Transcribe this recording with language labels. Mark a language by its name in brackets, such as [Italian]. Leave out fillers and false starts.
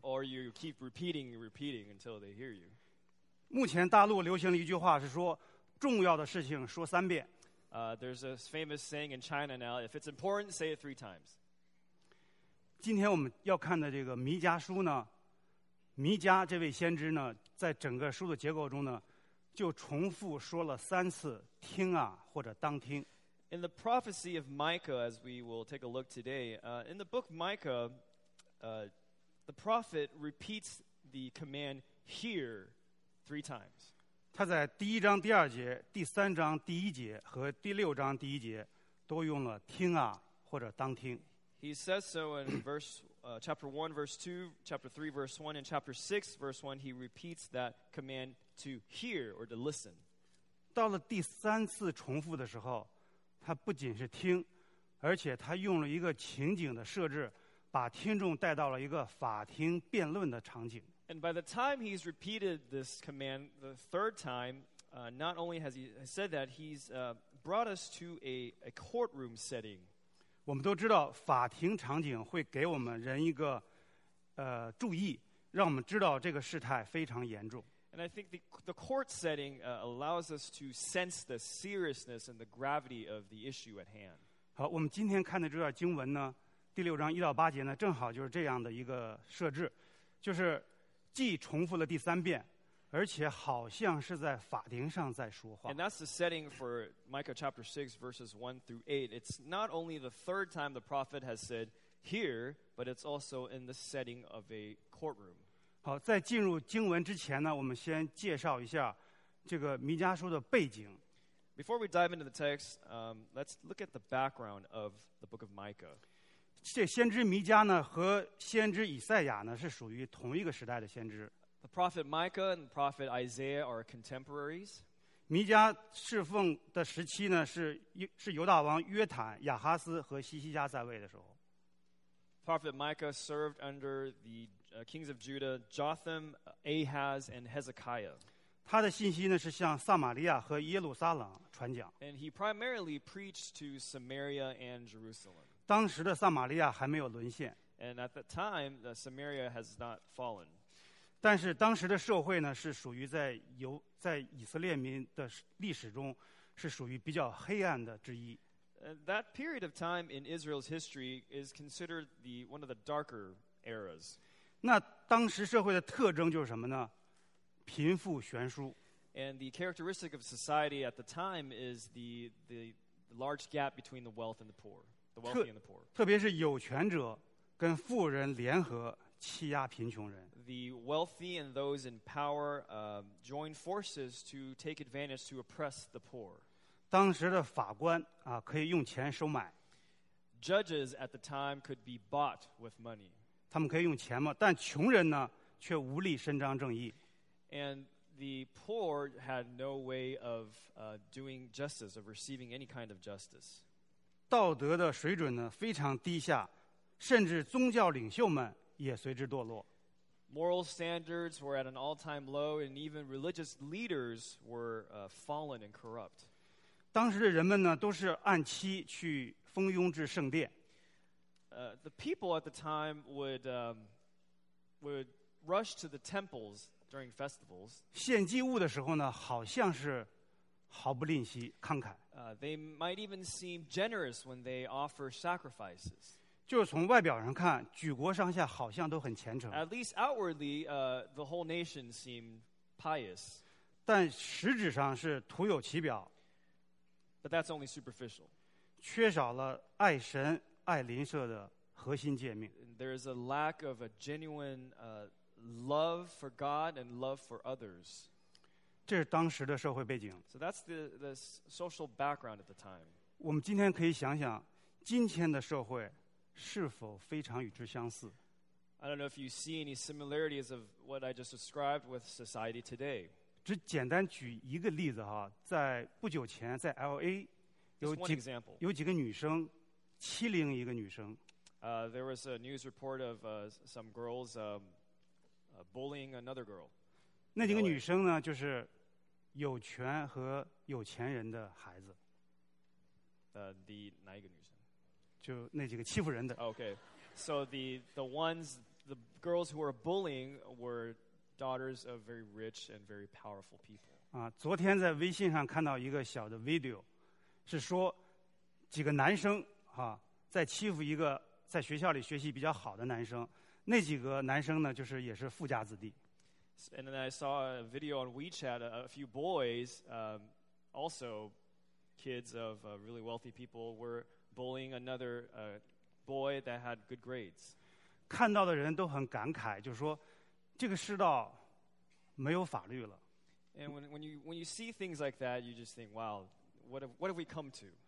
[English] Or you keep repeating and repeating until they hear you. [Chinese] 目前大陆流行了一句话是说重要的事情说三遍。 [English] There's a famous saying in China now, if it's important, say it three times. [Chinese] 今天我们要看的这个弥迦书呢弥迦这位先知呢在整个书的结构中呢就重复说了三次听啊或者当听。 [English] In the prophecy of Micah, as we will take a look today, in the book Micah, the prophet repeats the command hear three times. [Chinese] 他在第一章第二节第三章第一节和第六章第一节都用了听啊或者当听。 [English] He says so in chapter 1, verse 2, chapter 3, verse 1, and chapter 6, verse 1, he repeats that command to hear or to listen. [Chinese] 到了第三次重复的时候，他不仅是听，而且他用了一个情景的设置，把听众带到了一个法庭辩论的场景。 [English] And by the time he's repeated this command the third time, not only has he said that, he's brought us to a courtroom setting. [Chinese] 我们都知道法庭场景会给我们人一个注意让我们知道这个事态非常严重。 [English] And I think the court setting allows us to sense the seriousness and the gravity of the issue at hand. [Chinese] 好，我们今天看的这段经文呢，第六章一到八节呢，正好就是这样的一个设置，就是既重复了第三遍，而且好像是在法庭上在说话。 [English] And that's the setting for Micah chapter 6 verses 1 through 8. It's not only the third time the prophet has said here, but it's also in the setting of a courtroom. [Chinese] 好，在进入经文之前呢，我们先介绍一下这个弥迦书的背景。 [English] Before we dive into the text, let's look at the background of the book of Micah. [Chinese] 这先知弥迦呢，和先知以赛亚呢，是属于同一个时代的先知。 [English] The prophet Micah and the prophet Isaiah are contemporaries. [Chinese] 弥迦侍奉的时期呢，是犹大王约坦、亚哈斯和西西家在位的时候。 [English] Prophet Micah served under the kings of Judah, Jotham, Ahaz, and Hezekiah. [Chinese] 他的信息呢，是向撒玛利亚和耶路撒冷传讲。 [English] And he primarily preached to Samaria and Jerusalem. [Chinese] 当时的撒玛利亚还没有沦陷。 [English] And at the time, the Samaria has not fallen. [Chinese] 但是当时的社会呢，是属于在以色列民的历史中，是属于比较黑暗的之一。 [English] That period of time in Israel's history is considered one of the darker eras. [Chinese] 那当时社会的特征就是什么呢？贫富悬殊。 [English] And the characteristic of society at the time is the large gap between the wealth and the poor, the wealthy and the poor. [Chinese] 特别是有权者跟富人联合欺压贫穷人。 [English] The wealthy and those in power join forces to take advantage to oppress the poor. [Chinese] 当时的法官啊，可以用钱收买。 [English] Judges at the time could be bought with money. [Chinese] 他们可以用钱吗？但穷人呢，却无力伸张正义。 [English] And the poor had no way of doing justice, of receiving any kind of justice. [Chinese] 道德的水准呢，非常低下，甚至宗教领袖们也随之堕落。 [English] Moral standards were at an all-time low, and even religious leaders were fallen and corrupt. [Chinese] 当时的人们呢，都是按期去蜂拥至圣殿。 [English] The people at the time would rush to the temples during festivals. [Chinese] 献祭物的时候呢，好像是毫不吝惜、慷慨。 [English] They might even seem generous when they offer sacrifices. [Chinese] 就是从外表上看，举国上下好像都很虔诚。 [English] At least outwardly, the whole nation seemed pious. [Chinese] 但实质上是徒有其表。 [English] But that's only superficial. [Chinese] 缺少了爱神爱邻舍的核心诫命。 [English] There is a lack of a genuine love for God and love for others. [Chinese] 这是当时的社会背景。 [English] So that's the social background at the time. [Chinese] 我们今天可以想想，今天的社会是否非常与之相似？ [English] I don't know if you see any similarities of what I just described with society today. [Chinese] 只简单举一个例子哈，在不久前在 LA 有几个女生欺凌一个女生。 [English] There was a news report of some girls bullying another girl. [Chinese] 那几个女生呢，就是有权和有钱人的孩子。哪一个女生？就那几个欺负人的。 [English] Okay, so the girls who were bullying were. Daughters of very rich and very powerful people. [Chinese] 昨天在微信上看到一个小的 video， 是说几个男生啊在欺负一个在学校里学习比较好的男生。那几个男生呢，就是也是富家子弟。 [English] And then I saw a video on WeChat. A few boys, also kids of really wealthy people, were bullying another boy that had good grades. [Chinese] 看到的人都很感慨，就是说。这个世道没有法律了。 [English] And when you see things like that, you just think, wow, what have we come to?